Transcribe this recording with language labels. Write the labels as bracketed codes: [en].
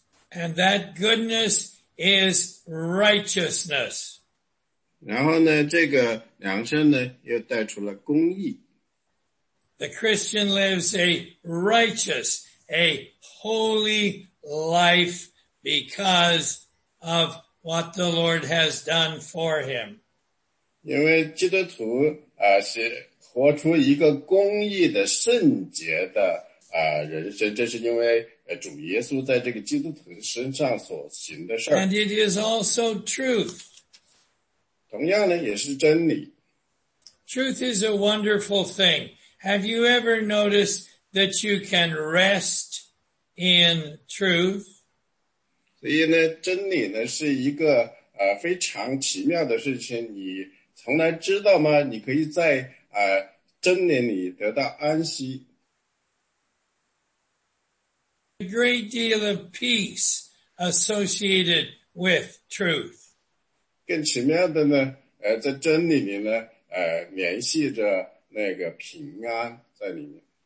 [en] And that goodness is righteousness. [zh] 然后呢，这个良善呢，又带出了公义。 [en] The Christian lives a righteous, a holy life because of what the Lord has done for him. [zh] 因为基督徒是活出一个公义的圣洁的人生，这是因为主耶稣在这个基督徒身上所行的事。 [en] And it is also truth. [zh] 同样呢，也是真理。 [en] Truth is a wonderful thing. Have you ever noticed that you can rest in truth? [zh] 所以呢，真理呢，是一个非常奇妙的事情，你从来知道吗？你可以在真理里得到安息。 [en] A great deal of peace associated with truth. [zh] 更奇妙的呢，在真理里呢，联系着那个平安在里面。